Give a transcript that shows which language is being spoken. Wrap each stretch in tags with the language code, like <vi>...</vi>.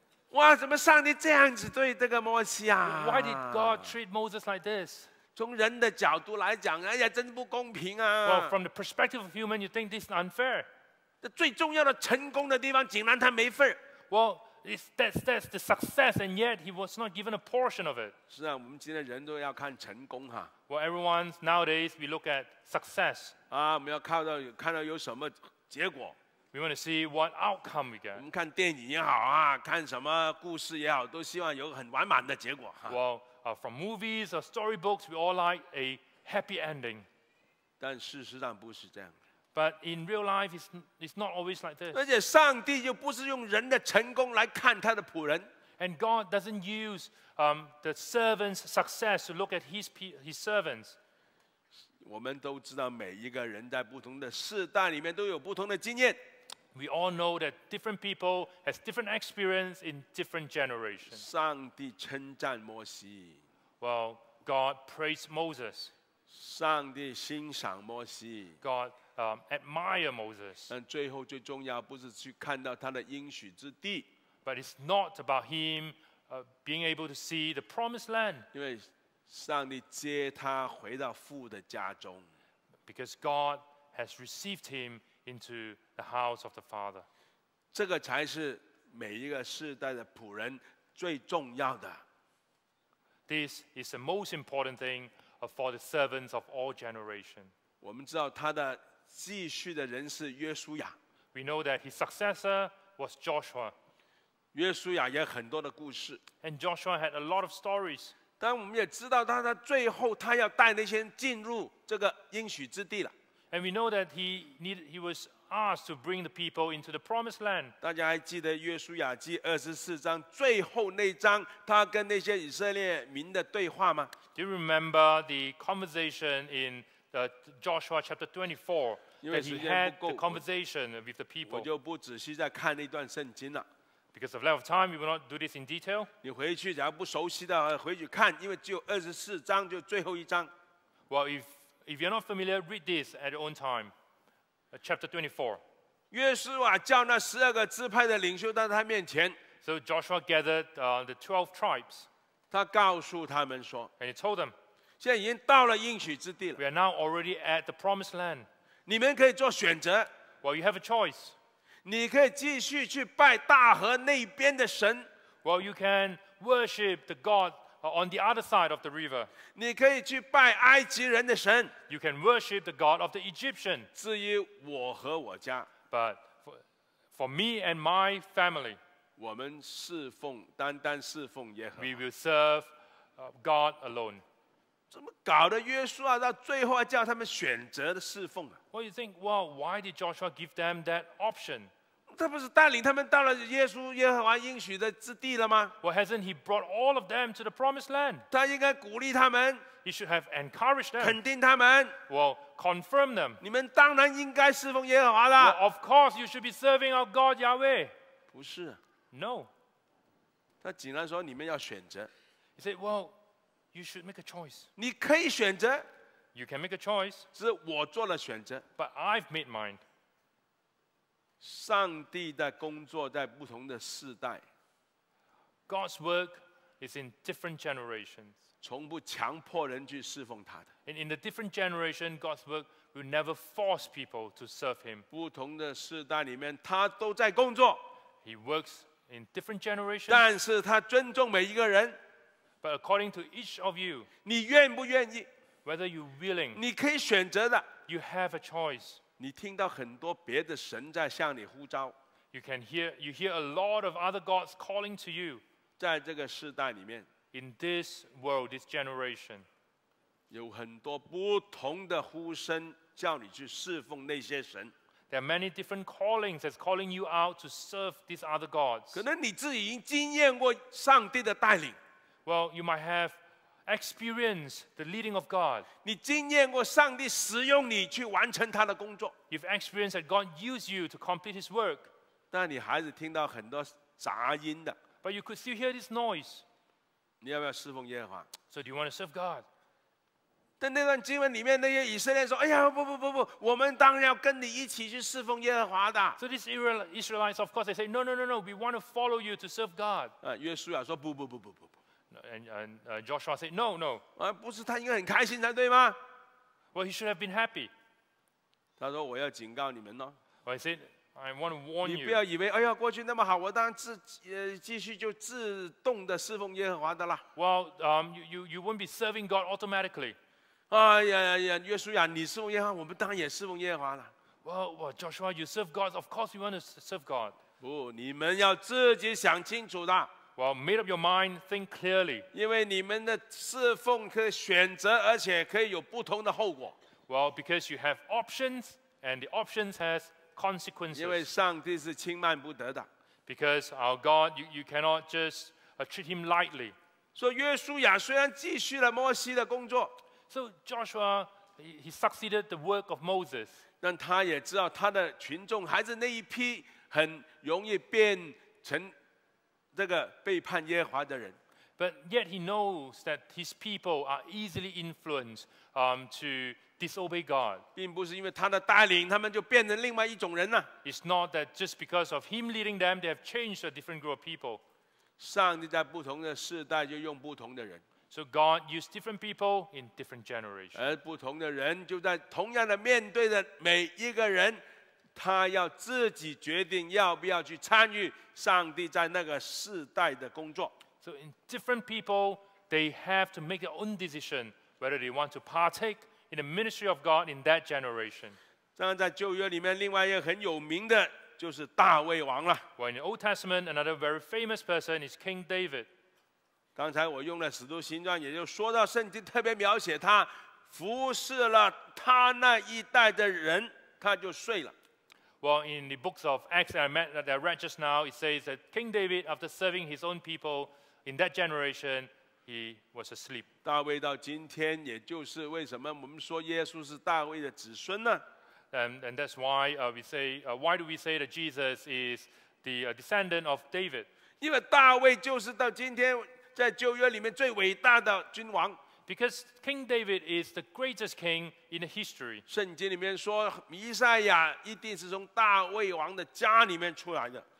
<zh>哇怎么上帝这样子对这个摩西啊</zh> <en>Why did God treat Moses like this?</en> <zh>从人的角度来讲哎呀真不公平啊</zh> <en>Well, from the perspective of human, you think this is unfair.</en> <zh>最重要的成功的地方竟然他没份</zh> <en>Well, that's the success, and yet he was not given a portion of it.</en> <zh>是啊我们今天人都要看成功啊</zh> <en>Well, everyone, nowadays, we look at success.</en> <zh>啊我们要看到有什么结果</zh> <en>We want to see what outcome we get.</en> <zh>我们看电影也好啊，看什么故事也好，都希望有很完满的结果。</zh> <en>Well, from movies or storybooks, we all like a happy ending.</en> <zh>但事实上不是这样。</zh> <en>But in real life, it's not always like this.</en> <zh>而且上帝又不是用人的成功来看他的仆人。</zh> <en>And God doesn't use the servant's success to look at his servants.</en> <zh>我们都知道每一个人在不同的世代里面都有不同的经验</zh> <en>We all know that different people have different experience in different generations</en> <zh>上帝称赞摩西</zh> <en>Well, God praised Moses</en> <zh>上帝欣赏摩西</zh> <en>God admire Moses</en> <zh>但最后最重要不是去看到他的应许之地</zh> <en>But it's not about him being able to see the promised land</en> <zh>因为上帝接他回到父的家中</zh> <en>Because God has received him into the house of the Father.</en> <zh>这个才是每一个世代的仆人最重要的。</zh> <en>This is the most important thing for the servants of all generations.</en> <zh>我们知道他的继续的人是约书亚。</zh> <en>We know that his successor was Joshua.</en> <zh>约书亚也很多的故事。</zh> <en>And Joshua had a lot of stories.</en> <zh>但我们也知道他最后他要带那些人进入这个应许之地了。</zh> <en>And we know that he was asked to bring the people into the promised land.</en> <zh>大家还记得约书亚记二十四章最后那章他跟那些以色列民的对话吗</zh> <en>Do you remember the conversation in the Joshua chapter 24? That he had the conversation with the people.</en> <zh>我就不仔细再看那段圣经了。</zh> <en>Because of lack of time, we will not do this in detail.</en> <zh>你回去假如不熟悉的回去看，因为只有二十四章，就最后一章。</zh> <en>Well, if you're not familiar, read this at your own time, chapter 24.</en> <zh>约书亚叫那十二个支派的领袖到他面前。</zh> <en>So Joshua gathered the 12 tribes.</en> <zh>他告诉他们说。</zh> <en>And he told them.</en> <zh>现在已经到了应许之地了。</zh> <en>We are now already at the promised land.</en> <zh>你们可以做选择。</zh> <en>Well, you have a choice.</en> <zh>你可以继续去拜大河那边的神。</zh> <en>Well, you can worship the God on the other side of the river.</en> <zh>你可以去拜埃及人的神。</zh> <en>You can worship the God of the Egyptian.</en> <zh>至于我和我家。</zh> <en>But for me and my family,</en> <zh>我们侍奉单单侍奉耶和华。</zh> <en>We will serve God alone.</en> <zh>怎么搞的约书亚到最后还叫他们选择的侍奉啊？</zh> <en>Well, you think, well, why did Joshua give them that option?</en> <zh>他不是带领他们到了耶稣耶和华应许的之地了吗</zh> <en>Well, hasn't he brought all of them to the promised land?</en> <zh>他应该鼓励他们</zh> <en>He should have encouraged them</en> <zh>肯定他们</zh> <en>Well, confirm them</en> <zh>你们当然应该侍奉耶和华了</zh> <en>Well, of course, you should be serving our God, Yahweh</en> <zh>不是</zh> <en>No</en> <zh>他竟然说你们要选择</zh> <en>He said, well, you should make a choice</en> <zh>你可以选择</zh> <en>You can make a choice.</en> <zh>是我做了选择。</zh> <en>But I've made mine.</en> <zh>上帝的工作在不同的世代。</zh> <en>God's work is in different generations.</en> <zh>从不强迫人去侍奉他的。</zh> <en>And in the different generation, God's work will never force people to serve him.</en> <zh>不同的世代里面，他都在工作。</zh> <en>He works in different generations.</en> <zh>但是他尊重每一个人。</zh> <en>But according to each of you,</en> <zh>你愿不愿意？</zh> <en>Whether you're willing,</en> <zh>你可以选择的。</zh> <en>You have a choice.</en> <zh>你听到很多别的神在向你呼召。</zh> <en>You hear a lot of other gods calling to you.</en> <zh>在这个世代里面。</zh> <en>In this world, this generation,</en> <zh>有很多不同的呼声叫你去侍奉那些神。</zh> <en>There are many different callings that's calling you out to serve these other gods.</en> <zh>可能你自己已经经验过上帝的带领。</zh> <en>Well, you might have experience the leading of God.</en> <zh>你经验过上帝使用你去完成他的工作。</zh> <en>You've experienced that God used you to complete His work.</en> <zh>但你还是听到很多杂音的。</zh> <en>But you could still hear this noise.</en> <zh>你要不要侍奉耶和华？</zh> <en>So do you want to serve God?</en> <zh>但那段经文里面那些以色列说：“哎呀，不不不不，我们当然要跟你一起去侍奉耶和华的。”</zh> <en>So these Israelites, of course, they say, "No, no, no, no, we want to follow you to serve God."</en> <zh>约书亚说：“不不不不不。”</zh> <en>And Joshua said, "No, no."</en> <zh>不是他应该很开心才对吗？</zh> <en>Well, he should have been happy.</en> <zh>他说：“我要警告你们呢。”</zh> <en>Well, he said, "I want to warn you."</en> <zh>你不要以为，哎呀，过去那么好，我当然继续就自动的侍奉耶和华的了。</zh> <en>Well, you won't be serving God automatically.</en> <zh>哎呀呀，约书亚，你侍奉耶和华，我们当然也侍奉耶和华了。</zh> <en>Well, Joshua, you serve God. Of course, you want to serve God.</en> <zh>不，你们要自己想清楚的。</zh> <en>Well, made up your mind, think clearly.</en> <zh>因为你们的侍奉可以选择，而且可以有不同的后果。</zh> <en>Well, because you have options, and the options has consequences.</en> <zh>因为上帝是轻慢不得的。</zh> <en>Because our God, you cannot just treat him lightly.</en> <zh>所以约书亚虽然继续了摩西的工作。</zh> <en>So Joshua, he succeeded the work of Moses.</en> <zh>但他也知道他的群众还是那一批很容易变成这个背叛耶和华的人。</zh> <en>But yet he knows that his people are easily influenced to disobey God.</en> <zh>并不是因为他的带领他们就变成另外一种人了。</zh> <en>It's not that just because of him leading them, they have changed a different group of people.</en> <zh>上帝在不同的世代就用不同的人。</zh> <en>So God used different people in different generations.</en> <zh>而不同的人就在同样的面对着每一个人，他要自己决定要不要去参与上帝在那个世代的工作。</zh> <en>So in different people, they have to make their own decision whether they want to partake in the ministry of God in that generation.</en> <zh>当然在旧约里面另外一个很有名的就是大卫王了。</zh> <en>Well, in the Old Testament, another very famous person is King David.</en> <zh>刚才我用了使徒行传，也就说到圣经特别描写他服侍了他那一代的人，他就睡了。</zh> <en>Well, in the books of Acts that I read just now, it says that King David, after serving his own people in that generation, he was asleep.</en> <zh>大卫到今天，也就是为什么我们说耶稣是大卫的子孙呢？</zh> <en>And that's why why do we say that Jesus is the descendant of David?</en> <zh>因为大卫就是到今天在旧约里面最伟大的君王。</zh> <en>Because King David is the greatest king in history.</en> <zh>圣经里面说，弥赛亚一定是从大卫王的家里面出来的。</zh>